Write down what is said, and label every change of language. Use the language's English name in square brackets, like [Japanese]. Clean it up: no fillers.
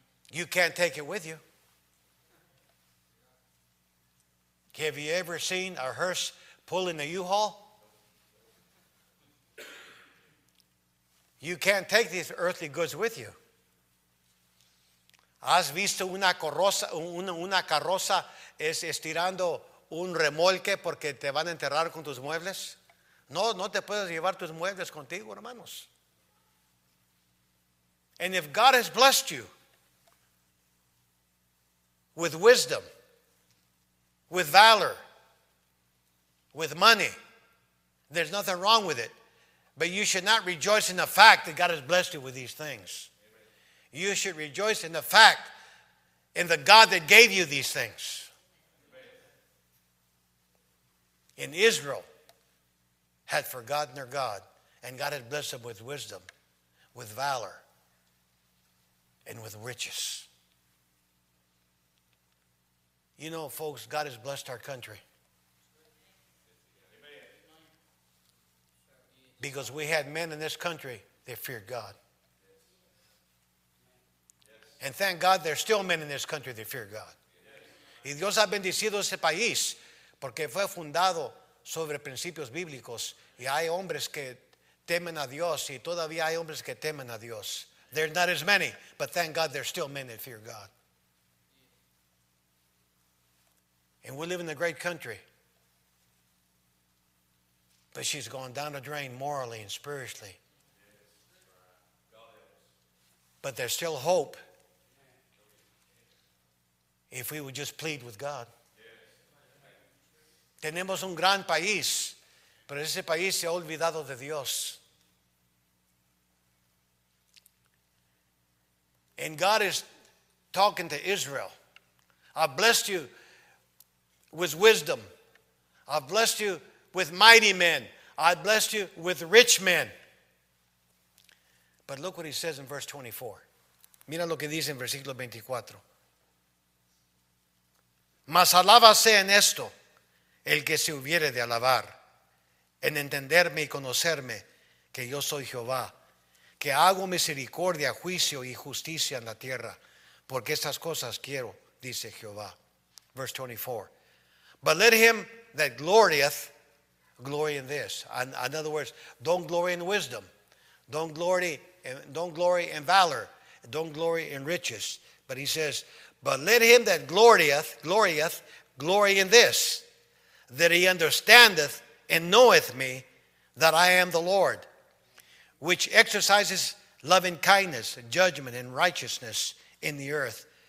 [English] You can't take it with you. Have you ever seen a hearse pulling a U-Haul? You can't take these earthly goods with you. [Spanish] ¿Has visto una carroza estirando un remolque porque te van a enterrar con tus muebles? No te puedes llevar tus muebles contigo, hermanos. [English] And if God has blessed you with wisdom, with valor, with money, there's nothing wrong with it. But you should not rejoice in the fact that God has blessed you with these things. Amen. You should rejoice in the fact in the God that gave you these things. Amen. In Israel, had forgotten their God, and God had blessed them with wisdom, with valor, and with riches. You know, folks, God has blessed our country. Because we had men in this country that feared God. And thank God there are still men in this country that fear God. [Spanish] Y Dios ha bendecido ese país porque fue fundado sobre principios bíblicos y hay hombres que temen a Dios y todavía hay hombres que temen a Dios. [English] There are not as many, but thank God there are still men that fear God. And we live in a great country. But she's gone down a drain morally and spiritually. Yes. God. But there's still hope if we would just plead with God. [Spanish] Tenemos un gran país, pero ese país se ha olvidado de Dios. [English] And God is talking to Israel. I've blessed you with wisdom. I've blessed you with mighty men. I've blessed you with rich men. But look what he says in verse 24. [Spanish] Mira lo que dice en versículo 24. Mas alábase en esto el que se hubiere de alabar, en entenderme y conocerme que yo soy Jehová, que hago misericordia, juicio y justicia en la tierra, porque estas cosas quiero, dice Jehová. [English] Verse 24. But let him that glorieth, glory in this. In other words, don't glory in wisdom. Don't glory in valor. Don't glory in riches. But he says, but let him that glorieth, glory in this, that he understandeth and knoweth me, that I am the Lord, which exercises loving kindness, judgment, and righteousness in the earth.